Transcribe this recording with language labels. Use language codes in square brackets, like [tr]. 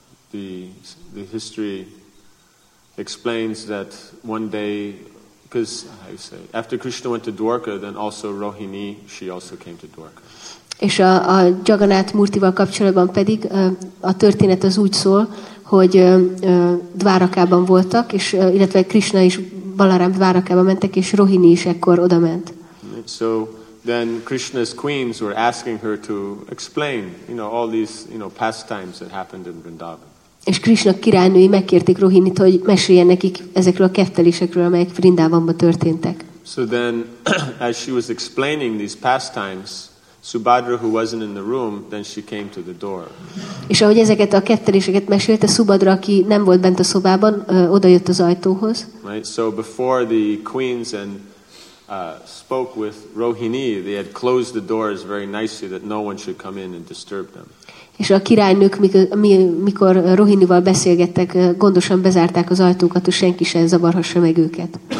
[en] Then the history explains that one day, because how you say, after Krishna went to Dwarka, then also Rohini, she also came to Dwarka. [hu] És a Jagannath Murtival kapcsolatban pedig a történet az úgy szól, hogy Dvárakában voltak, és illetve Krishna és Balaram Dvárakába mentek, és Rohini is ekkor oda ment. [en] So then Krishna's queens were asking her to explain, you know, all these, you know, pastimes that happened in Vrindavan. [hu] És Krishna királynői megkérték Rohinit, hogy meséljen nekik ezekről a keftelésekről, amelyek Vrindavanban történtek. [en] So then as she was explaining these pastimes, Subhadra, who wasn't in the room, then she came to the door. [hu] És ahogy ezeket a ketteléseket mesélte, Subhadra, aki nem volt bent a szobában, odajött az ajtóhoz. [en] Right, so before the queens and spoke with Rohini, they had closed the doors very nicely that no one should come in and disturb them. [hu] És a királynők, mikor Rohinival beszélgettek, gondosan bezárták az ajtókat, hogy senki sem zavarhassa meg őket.